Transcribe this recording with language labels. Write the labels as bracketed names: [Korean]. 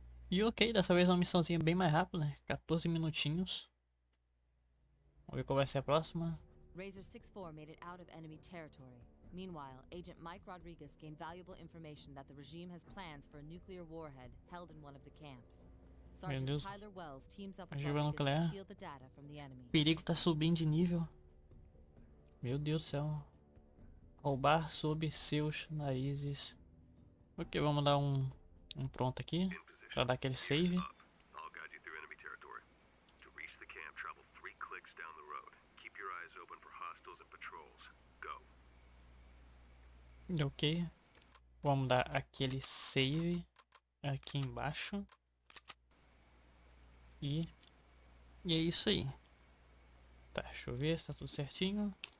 [Portuguese] E ok, dessa vez uma missãozinha bem mais rápida, 14 minutinhos. Vamos ver qual vai ser a próxima. [English] Razor 64 made it out of enemy territory. Meanwhile, agent Mike Rodriguez gained valuable information that the regime has plans for a nuclear warhead held in one of the camps. Sergeant Tyler Wells teams up with Rodriguez to steal the data from the enemy. [Portuguese] Perigo tá subindo de nível. Meu Deus do céu. Roubar sob seus narizes. Ok, vamos dar um pronto aqui. Pra dar aquele save. [English] I'll guide you through enemy territory. To reach the camp, travel 3 clicks down the road. Keep your eyes open for hostiles and patrols. Go. Ok. [Portuguese] Vamos dar aquele save aqui embaixo. E é isso aí. Tá, deixa eu ver se tá tudo certinho.